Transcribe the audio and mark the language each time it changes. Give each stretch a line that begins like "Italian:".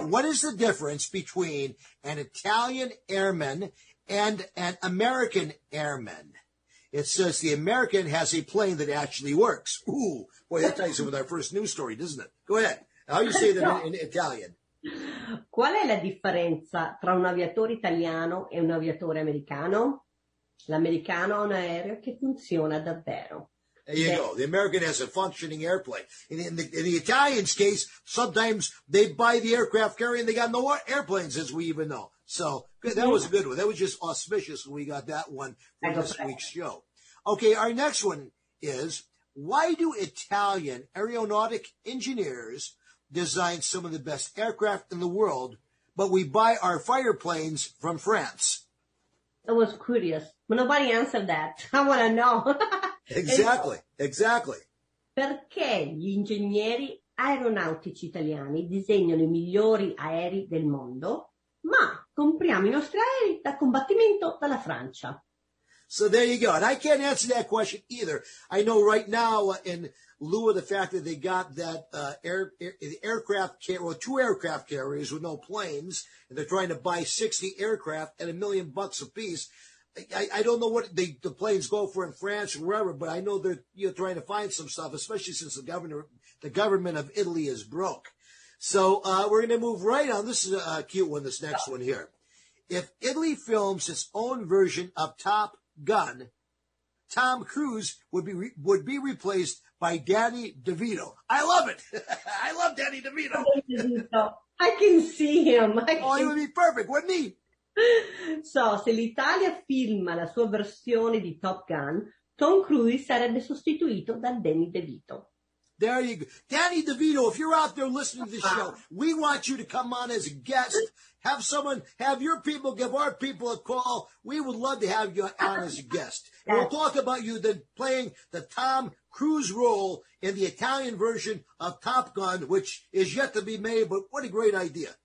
English: So what is the difference between an Italian airman and an American airman? It says the American has a plane that actually works. Ooh, boy, that ties in with our first news story, doesn't it? Go ahead. How do you say that in Italian?
Italian: Qual è la differenza tra un aviatore italiano e un aviatore americano? L'americano ha un aereo che funziona davvero.
English: There you go. The American has a functioning airplane. In the Italian's case, sometimes they buy the aircraft carrier and they got no airplanes, as we even know. So that was a good one. That was just auspicious when we got that one for this week's show. Okay, our next one is, why do Italian aeronautic engineers design some of the best aircraft in the world, but we buy our fighter planes from France? I was curious, but nobody answered that. I want to know. Exactly, exactly.
Italian: Perché gli ingegneri aeronautici italiani disegnano i migliori aerei del mondo, ma compriamo i nostri aerei da combattimento dalla Francia?
English: So there you go. And I can't answer that question either. I know right now, in lieu of the fact that they got that two aircraft carriers with no planes, and they're trying to buy 60 aircraft at $1 million a piece, I don't know what the planes go for in France or wherever, but I know they're trying to find some stuff, especially since the government of Italy is broke. So we're going to move right on. This is a cute one, this next one here. If Italy films its own version of Top Gun, Tom Cruise would be replaced by Danny DeVito. I love it. I love Danny DeVito. I can see him. He would be perfect, wouldn't he?
Italian: So, se l'Italia filma la sua versione di Top Gun, Tom Cruise sarebbe sostituito da Danny DeVito.
English: There you go. Danny DeVito, if you're out there listening to the show, we want you to come on as a guest. Have someone, have your people give our people a call. We would love to have you on as a guest. Yes. We'll talk about you then playing the Tom Cruise role in the Italian version of Top Gun, which is yet to be made, but what a great idea.